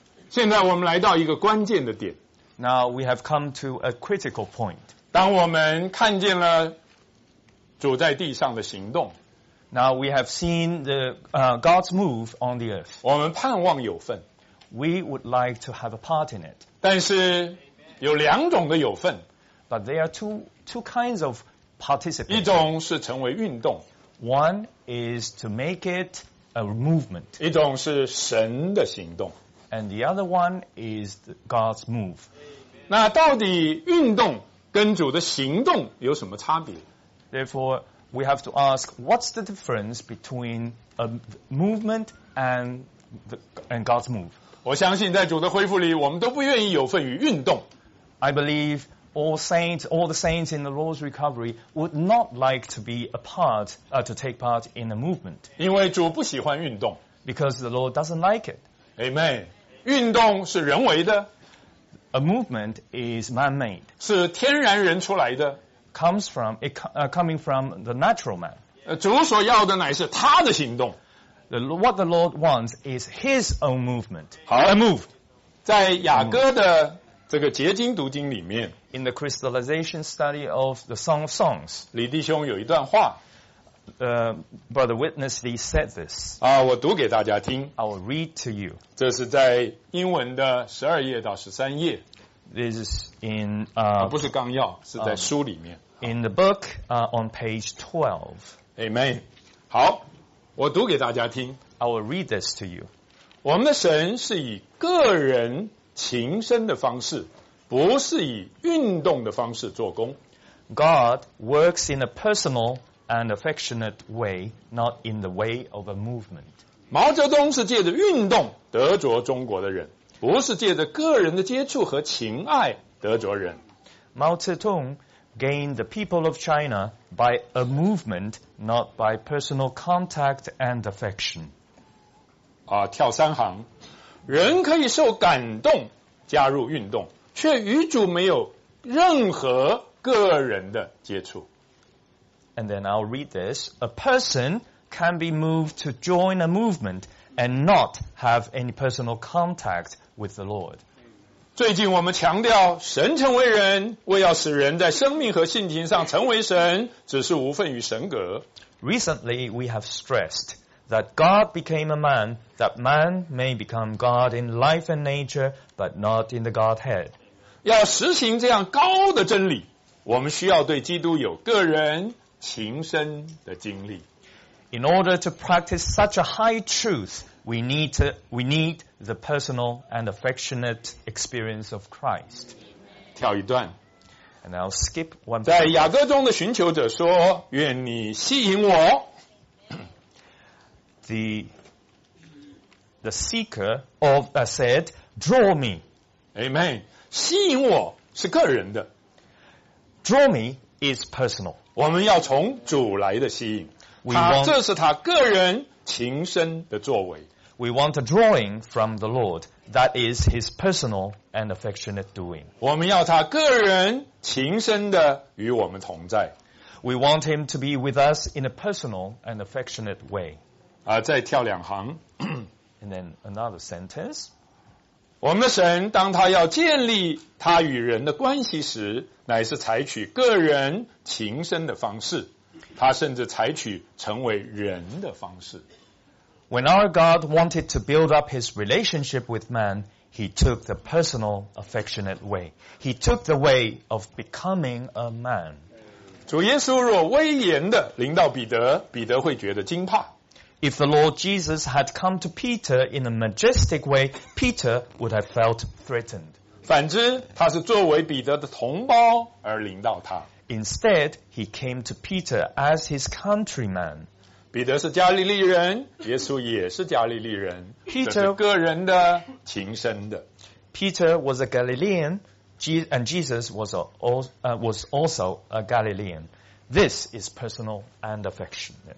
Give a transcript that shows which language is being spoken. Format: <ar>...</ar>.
<zh>现在我们来到一个关键的点</zh> <en>Now we have come to a critical point.</en> <zh>当我们看见了主在地上的行动</zh> <en>Now we have seen the, God's move on the earth.</en> <zh>我们盼望有份</zh> <en>We would like to have a part in it.</en> <zh>但是有两种的有份</zh> <en>But there are two kinds of participation.</en> <zh>一种是成为运动</zh> <en>One is to make it a movement.</en> <zh>一种是神的行动</zh> <en>And the other one is God's move.</en> <zh>那到底运动跟主的行动有什么差别</zh> <en>Therefore, we have to ask what's the difference between a movement and God's move?</en> <zh>我相信在主的恢复里我们都不愿意有份于运动</zh> <en>I believe all the saints in the Lord's recovery would not like to be a part、to take part in a movement</en> <zh>因为主不喜欢运动</zh> <en>Because the Lord doesn't like it</en> <zh>Amen 运动是人为的</zh> <en>A movement is man-made</en> <zh>是天然人出来的</zh> <en>coming from the natural man</en> <zh>主所要的乃是他的行动</zh> <en>What the Lord wants is His own movement. A move.</en> <zh>在雅各的这个结晶读经里面</zh> <en>In the crystallization study of the Song of Songs.</en> <zh>李弟兄有一段话</zh> <en>Brother Witness Lee said this.</en> <zh>我读给大家听</zh> <en>I will read to you.</en> <zh>这是在英文的12页到13页</zh> <en>This is in...</en> <zh>不是纲要是在书里面</zh> <en>In the book on page 12.</en> <zh>Amen. 好我读给大家听</zh> <en>I will read this to you</en> <zh>我们的神是以个人情深的方式不是以运动的方式做工</zh> <en>God works in a personal and affectionate way not in the way of a movement</en> <zh>毛泽东是借着运动得着中国的人不是借着个人的接触和情爱得着人</zh> <en>Mao Zedong gained the people of China by a movement not by personal contact and affection</en> <zh>跳三行人可以受感动加入运动却与主没有任何个人的接触</zh> <en>and then I'll read this a person can be moved to join a movement and not have any personal contact with the Lord</en> <zh>最近我们强调神成为人为要使人在生命和性情上成为神只是无份于神格</zh> <en>Recently we have stressed that God became a man that man may become God in life and nature but not in the Godhead</en> <zh>要实行这样高的真理我们需要对基督有个人情深的经历</zh> <en>In order to practice such a high truthWe need the personal and affectionate experience of Christ.</en> <zh>跳一段</zh> <en>And I'll skip one</en> <zh>在雅各中的寻求者说愿你吸引我</zh> <en>The seeker of,said Draw me</en> <zh>Amen 吸引我是个人的</zh> <en>Draw me is personal</en> <zh>我们要从主来的吸引这是他个人情深的作为</zh> <en>We want a drawing from the Lord. That is His personal and affectionate doing.</en> <zh>我们要他个人情深的与我们同在。</zh> <en>We want Him to be with us in a personal and affectionate way.</en> <zh>再跳两行。</zh> <en>And then another sentence.</en> <zh>我们的神当他要建立他与人的关系时，乃是采取个人情深的方式，他甚至采取成为人的方式。</zh> <en>When our God wanted to build up his relationship with man, he took the personal, affectionate way. He took the way of becoming a man.</en> <zh>主耶稣若威严地临到彼得，彼得会觉得惊怕。</zh> <en>If the Lord Jesus had come to Peter in a majestic way, Peter would have felt threatened.</en> <zh>反之，他是作为彼得的同胞而临到他。</zh> <en>Instead, he came to Peter as his countryman.</en> <zh>彼得是加利利人，耶稣也是加利利人。</zh> <en>Peter</en> <zh>是个人的，情深的。</zh> <en>Peter was a Galilean, and Jesus was also a Galilean. This is personal and affectionate.</en>